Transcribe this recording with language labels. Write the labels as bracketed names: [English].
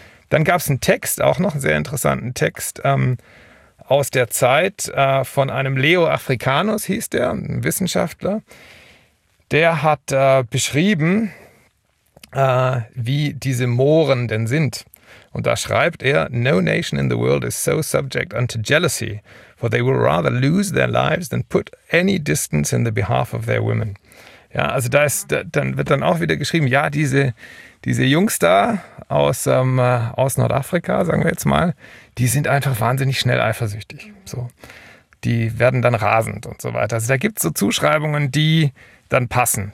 [German] Dann gab es einen Text, auch noch einen sehr interessanten Text, aus der Zeit von einem Leo Africanus, hieß der, ein Wissenschaftler. Der hat beschrieben, wie diese Mohren denn sind. Und da schreibt er, [English] no nation in the world is so subject unto jealousy, for they will rather lose their lives than put any distance in the behalf of their women. [German] Ja, also da ist, dann wird dann auch wieder geschrieben, ja, diese Jungs da aus Nordafrika, sagen wir jetzt mal, die sind einfach wahnsinnig schnell eifersüchtig. So. Die werden dann rasend und so weiter. Also da gibt es so Zuschreibungen, die dann passen.